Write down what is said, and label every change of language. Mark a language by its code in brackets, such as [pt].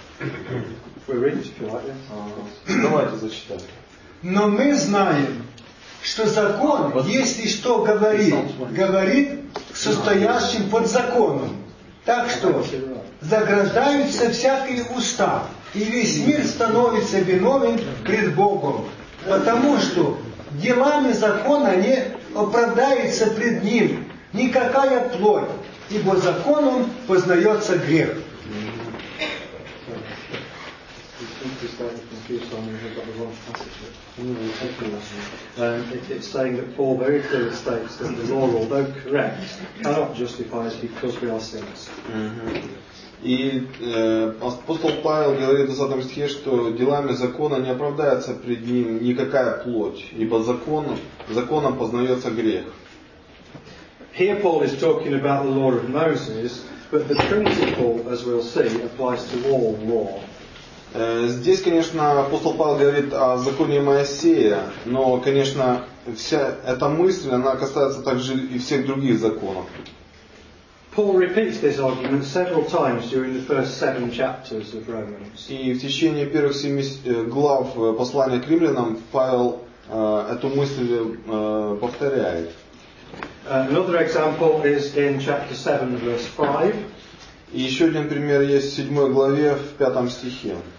[en] If we read it, if you like it. [ru] Давайте зачитаем. Но мы знаем, что закон, если что говорит, говорит к состоящим под законом. Так что заграждаются всякие уста, и весь мир становится виновен пред Богом, потому что делами закона не оправдается пред Ним никакая плоть, ибо законом познается грех. [en] It's saying that Paul very clearly states that the law, although correct, cannot justify us because we are sinners. [ru] И апостол Павел говорит в 20 стихе, что делами закона не оправдается пред ним никакая плоть, ибо законом познается грех. [en] Here Paul is talking about the law of Moses, but the principle, as we'll see, applies to all law. [ru] Здесь, конечно, апостол Павел говорит о законе Моисея, но, конечно, вся эта мысль, она касается также и всех других законов. [en] Paul repeats this argument several times during the first seven chapters of Romans. [ru] И в течение первых семи глав послания к римлянам Павел эту мысль повторяет. [en] Another example is in chapter 7, verse 5. [ru] И еще один пример есть в 7 главе, в 5 стихе.